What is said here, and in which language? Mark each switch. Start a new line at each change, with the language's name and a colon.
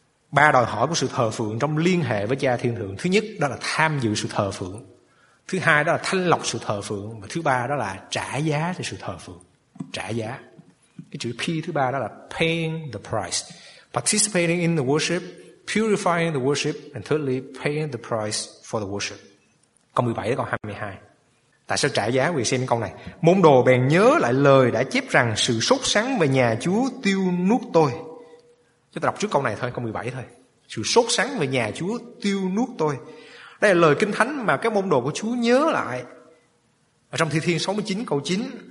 Vietnamese: Ba đòi hỏi của sự thờ phượng trong liên hệ với Cha Thiên Thượng. Thứ nhất đó là tham dự sự thờ phượng. Thứ hai đó là thanh lọc sự thờ phượng. Và thứ ba đó là trả giá cho sự thờ phượng. Trả giá. Cái chữ P thứ ba đó là
English: paying the price. Participating in the worship, purifying the worship, and thirdly, paying the price for the worship.
Vietnamese: Câu 17 đến câu 22. Tại sao trả giá? Vì xem câu này. Môn đồ bèn nhớ lại lời đã chép rằng sự sốt sắng về nhà Chúa tiêu nuốt tôi. Chúng ta đọc trước câu này thôi, câu 17 thôi. Sự sốt sắng về nhà Chúa tiêu nuốt tôi. Đây là lời kinh thánh mà các môn đồ của Chúa nhớ lại. Ở trong Thi Thiên 69 câu 9.